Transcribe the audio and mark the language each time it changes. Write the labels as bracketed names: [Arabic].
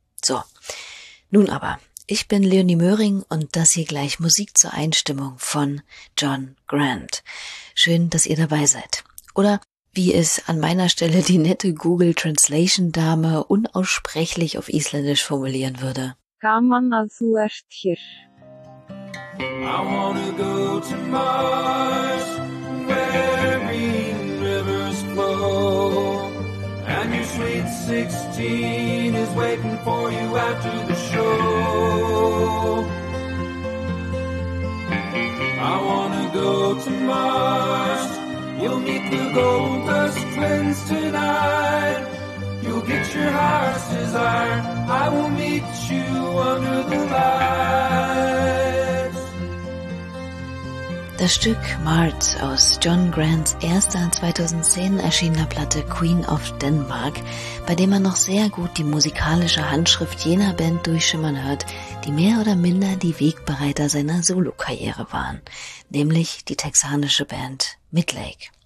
[German] So, nun aber, ich bin Leonie Möhring und das hier gleich Musik zur Einstimmung von John Grant. Schön, dass ihr dabei seid. Oder wie es an meiner Stelle die nette Google Translation Dame unaussprechlich auf Isländisch formulieren würde. Kaman asu erst hier. [English] I wanna go to Mars, where mean rivers flow. And your sweet 16 is waiting for you after the show. I wanna go to Mars. You'll meet the Gold Dust Twins tonight. You'll get your heart's desire. I will meet you under the lights. [German] Das Stück Mart aus John Grants erster 2010 erschienener Platte Queen of Denmark, bei dem man noch sehr gut die musikalische Handschrift jener Band durchschimmern hört, die mehr oder minder die Wegbereiter seiner Solokarriere waren, nämlich die texanische Band Midlake.